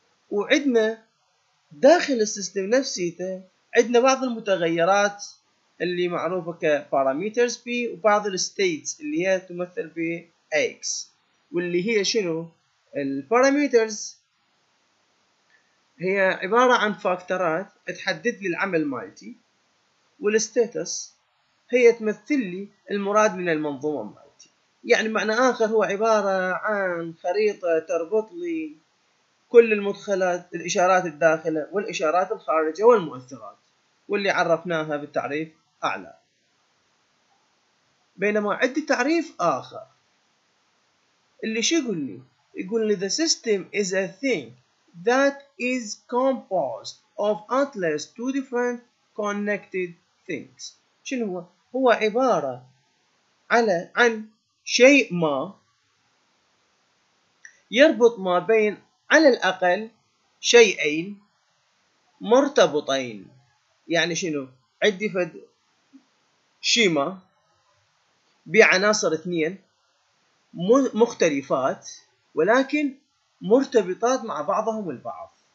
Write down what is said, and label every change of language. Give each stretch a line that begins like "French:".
Arabic: وعندنا داخل السيستم نفسيته عندنا بعض المتغيرات اللي معروفة كparameters بي، وبعض الstates اللي هي تمثل ب x، واللي هي شنو الparameters هي عبارة عن فاكتورات تحدد لي العمل مالتي، والستاتس هي تمثل لي المراد من المنظومة مالتي. يعني معنى آخر هو عبارة عن خريطة تربط لي كل المدخلات الإشارات الداخلة والإشارات الخارجة والمؤثرات واللي عرفناها بالتعريف أعلى. بينما عندي تعريف آخر اللي شو يقول لي؟
English: يقول لي the system is a thing that is composed of at least two different connected things.
Arabic: شنو هو؟ هو عبارة على عن شيء ما يربط ما بين على الأقل شيئين مرتبطين. يعني شنو؟ عندي فد شيما بعناصر اثنين مختلفات ولكن مرتبطات مع بعضهم البعض.